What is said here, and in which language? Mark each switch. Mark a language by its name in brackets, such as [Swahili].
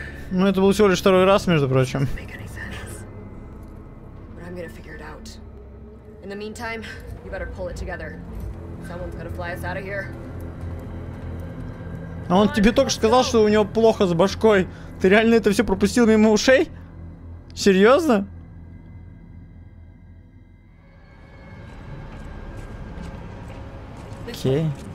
[Russian] Ну, это был всего лишь второй раз, между прочим. [English] But I'm gonna figure it out. In the meantime, you better pull it together. Someone's gonna fly us out of here. [Russian] А он тебе только что сказал, что у него плохо с башкой. Ты реально это все пропустил мимо ушей? Серьезно? Окей.